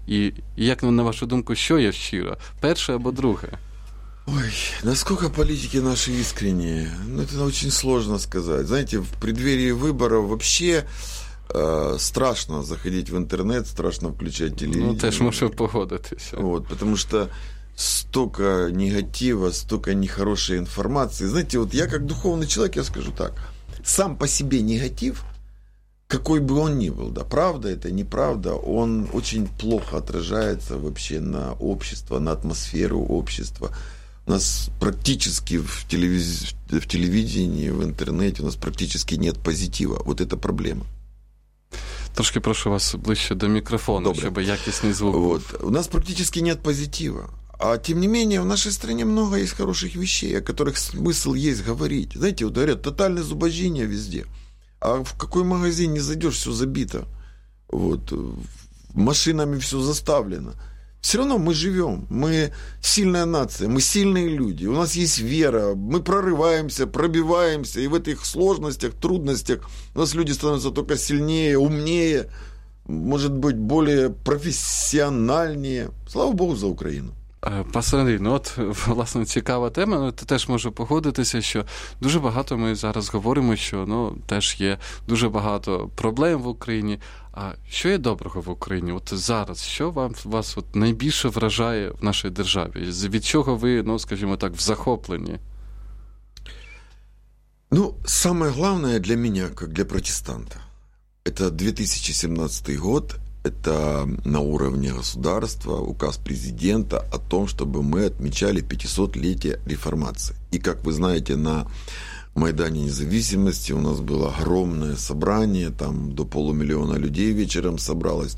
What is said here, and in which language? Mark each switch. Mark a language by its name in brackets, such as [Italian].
[Ukrainian] І як, на вашу думку, що є щиро? Перше або друге? Ой, наскільки політики наші іскрені? Це дуже складно сказати. Знаєте, в преддверії виборів взагалі страшно заходить в интернет, [Russian] страшно включать телевизор. [Ukrainian] Ну, теж можу погодитися. [Russian] Вот, потому что столько негатива, столько нехорошей информации. Знаете, вот я как духовный человек, я скажу так, сам по себе негатив, какой бы он ни был, да, правда это, неправда, он очень плохо отражается вообще на общество, на атмосферу общества. У нас практически в телевидении, в интернете у нас практически нет позитива. Вот это проблема. [Ukrainian] Трошки прошу вас ближче до мікрофону, щоб якісний звук. [Russian] Вот. У нас практически нет позитива. А тем не менее, в нашей стране много есть хороших вещей, о которых смысл есть говорить. Знаете, вот говорят, тотальное зубожение везде. А в какой магазин не зайдешь, все забито. Вот. Машинами все заставлено. Все равно мы живем. Мы сильная нация, мы сильные люди. У нас есть вера. Мы прорываемся, пробиваемся. И в этих сложностях, трудностях у нас люди становятся только сильнее, умнее. Может быть, более профессиональнее. Слава Богу за Украину. [Ukrainian] Пастор Андрій, власне, цікава тема, ти теж можу погодитися, що дуже багато ми зараз говоримо, що теж є дуже багато проблем в Україні. А що є доброго в Україні? От зараз, що вас найбільше вражає в нашій державі? Від чого ви, скажімо так, в захопленні? Ну, саме головне для мене, як для протестанта, це 2017 рік. [Russian] Это на уровне государства указ президента о том, чтобы мы отмечали 500-летие реформации. И, как вы знаете, на Майдане независимости у нас было огромное собрание, там до полумиллиона людей вечером собралось.